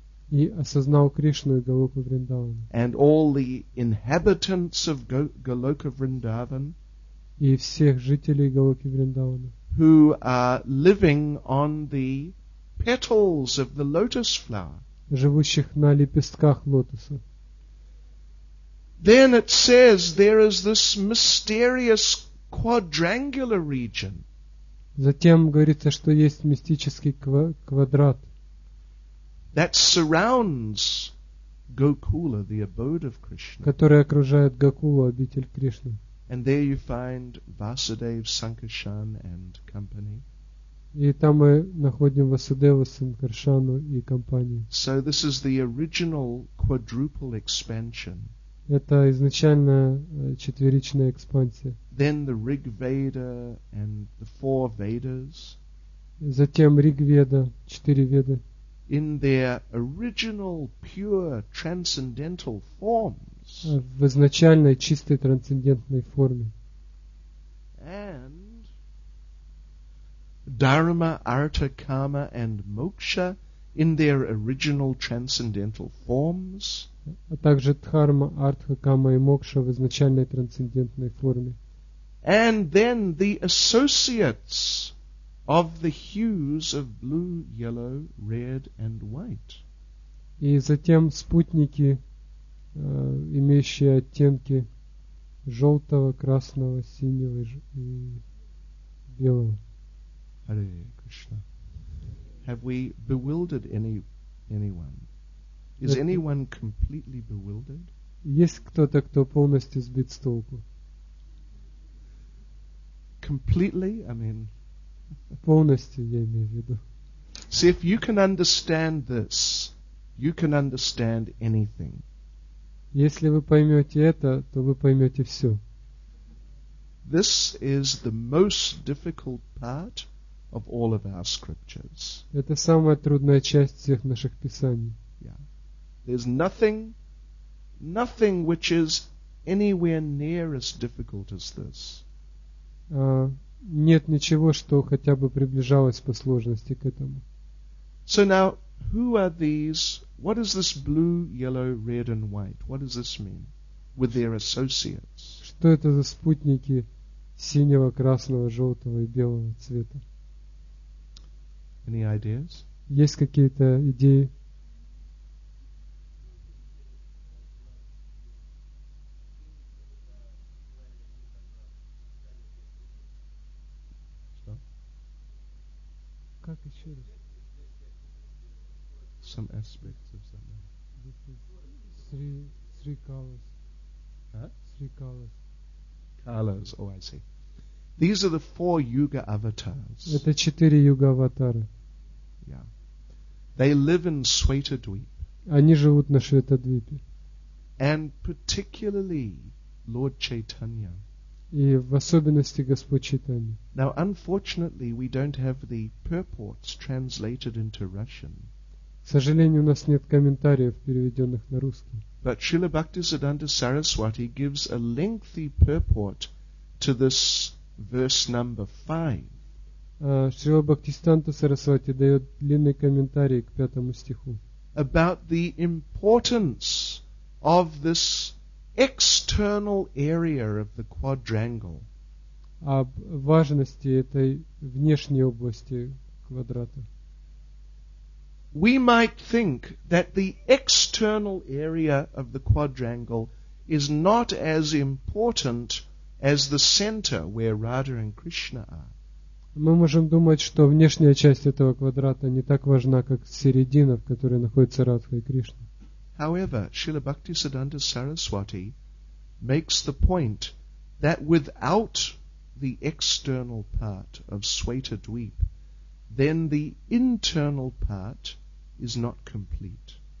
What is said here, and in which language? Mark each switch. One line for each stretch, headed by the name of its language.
Russian: И осознал Кришну и Голоку Вриндаван.
English: And all the inhabitants of Goloka Vrindavan.
Russian: И всех жителей Голоки Вриндавана.
English: Who are living on the petals of the lotus flower.
Russian: Живущих на лепестках лотоса.
English: Then it says there is this mysterious quadrangular region.
Russian: Затем говорится, что есть мистический квадрат.
English: That surrounds Gokula, the abode of Krishna.
Russian: Который окружает Гокулу, обитель Кришны.
English: And there you find Vasudev, Sankarshan and company.
Russian: И там мы находим Васудеву, Санкаршану и компанию.
English: So this is the original quadruple expansion.
Russian: Это изначально четверичная экспансия.
English: Then the Rig Veda and the four Vedas.
Russian: Затем Риг Веда, четыре Веды.
English: In their original pure transcendental forms.
Russian: В изначальной чистой трансцендентной форме.
English: And Dharma, Artha, Kama and Moksha in their original transcendental forms.
Russian: А также Дхарма, Артха, Кама и Мокша в изначальной трансцендентной форме.
English: And then the associates of the hues of blue, yellow, red and white.
Russian: И затем спутники, имеющие оттенки желтого, красного, синего и белого.
English: Hare Krishna. Have we bewildered anyone? Is anyone completely bewildered?
Russian: Есть кто-то, кто полностью сбит с толку?
English: Completely, I mean.
Russian: Полностью, я имею в виду.
English: See, if you can understand this, you can understand anything.
Russian: Если вы поймете это, то вы поймете все.
English: This is the most difficult part of all of our scriptures.
Russian: Это самая трудная часть всех наших писаний.
English: Yeah. There's nothing which is anywhere near as difficult as this.
Russian: Нет ничего, что хотя бы приближалось по сложности к этому.
English: So now, who are these? What is this blue, yellow, red and white? What does this mean with their associates?
Russian: Что это за спутники синего, красного, желтого и белого цвета?
English: Any ideas?
Russian: Есть какие-то идеи? Что? Как еще раз?
English: Some aspects of something. This is three colors. Huh? Three colors. Colors. Oh, I see. These are the four yuga avatars.
Russian: Это четыре юга аватара.
English: Yeah. They live in Svetadvip.
Russian: Они живут на Шветадвипе.
English: And particularly Lord Chaitanya.
Russian: И в особенности Господь Чайтанья.
English: Now, unfortunately, we don't have the purports translated into Russian.
Russian: К сожалению, у нас нет комментариев, переведенных на русский.
English: But Srila Bhaktisiddhanta Saraswati gives a lengthy purport to this verse number 5.
Russian: Шрила Бхактистанта Сарасвати дает длинный комментарий к пятому стиху.
English: About the importance of this external area of the quadrangle.
Russian: Об важности этой внешней области квадрата.
English: We might think that the external area of the quadrangle is not as important as the center where Radha and Krishna are.
Russian: Мы можем думать, что внешняя часть этого квадрата не так важна, как середина, в которой находится Радха и Кришна.
English: However, Srila Bhaktisiddhanta Saraswati makes the point that without the external part of Svetadvip, then the internal part is not complete.